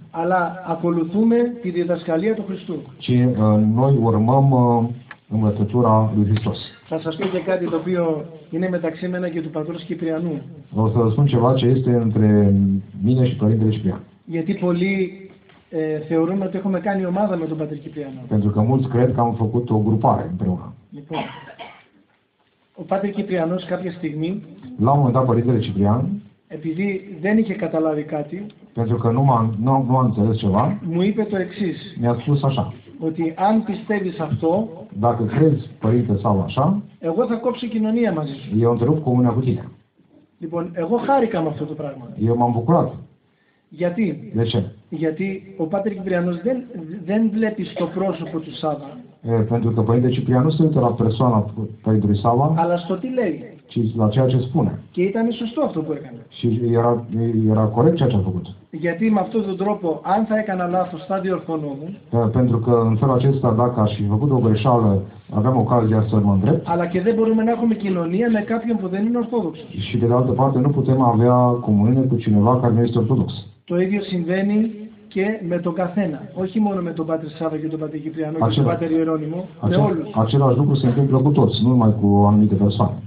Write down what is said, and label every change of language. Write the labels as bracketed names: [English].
[Greek] Αλλά ακολουθούμε τη διδασκαλία του Χριστού. [Romanian] Ci noi urmăm învățătura lui Hristos. [Greek] Θα σας πω και κάτι το οποίο είναι μεταξύ μένα και του πατρός Κυπριανού. [Romanian] O să vă spun ceva ce este între mine și Părintele Ciprian. [Greek] Γιατί πολλοί θεωρούν ότι έχουμε κάνει ομάδα με τον Πατήρ Κυπριανό. [Romanian] Pentru că mulți cred că am făcut o grupare împreună. [Greek] Λοιπόν, ο Πατήρ Κυπριανός κάποια στιγμή, [Romanian] la un moment dat, Părintele Ciprian, [Greek] επειδή δεν είχε καταλάβει κάτι, [Romanian] pentru că nu am înțeles ceva, [Greek] μου είπε το εξής. [Romanian] Mi-a spus așa. [Greek] Ότι αν πιστεύεις αυτό, [Romanian] dacă crezi, Părinte, sau așa, [Greek] εγώ θα κόψω κοινωνία μαζί σου. [Romanian] Eu întrerup comunia cu tine. [Greek] Λοιπόν, εγώ χάρηκα με αυτό το πράγμα. [Romanian] Eu m-am bucurat. [Greek] Γιατί? [Romanian] De ce? [Greek] Γιατί ο Πάτερ Κυπριανός δεν βλέπει στο πρόσωπο του Σάβα. [Romanian] Pentru că Părintele Ciprianus nu este la persoana Părintele Sava. [Greek] Αλλά στο τι λέει. [Romanian] Ci la ceea ce spune. [Greek] Και ήταν σωστό αυτό που έκανε. [Romanian] Și era corect ceea ce a făcut. [Greek] Γιατί με αυτόν τον τρόπο, αν θα έκανα λάθος, θα διορθωνόμουν. [Romanian] Pentru că în felul acesta, dacă aș fi făcut o greșeală, aveam ocazia să mă îndrept. [Greek] Αλλά και δεν μπορούμε να έχουμε κοινωνία με κάποιον που δεν είναι ορθόδοξος. [Romanian] Și de altă parte, nu putem avea comuniune cu cineva care nu este ορθόδοξος. [Greek] Το ίδιο συμβαίνει και με τον καθένα. Όχι μόνο με τον Πάτερ Σάβα και τον Πάτερ Κυπριανό και τον Πάτερ Ιερώνυμο. [Romanian] Același lucru se întâmplă cu toți, nu numai cu anumite persoane.